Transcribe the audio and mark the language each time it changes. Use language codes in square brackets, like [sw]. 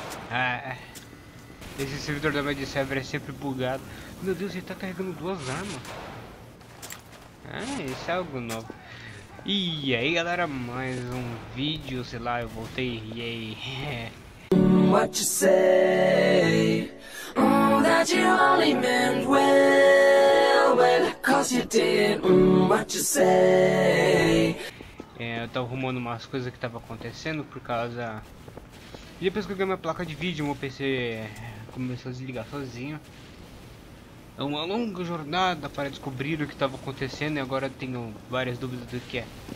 [pt] Ah, esse servidor da Mad Server é sempre bugado. Meu Deus, ele tá carregando duas armas. Ah, isso é algo novo. E aí galera, mais um vídeo, sei lá, eu voltei, e aí? [en] What you say? That you only meant well, well, cause you did. What you say? [pt] É, eu tava arrumando umas coisas que tava acontecendo por causa... E depois que eu ganhei minha placa de vídeo, meu PC começou a desligar sozinho. É uma longa jornada para descobrir o que estava acontecendo e agora tenho várias dúvidas do que é.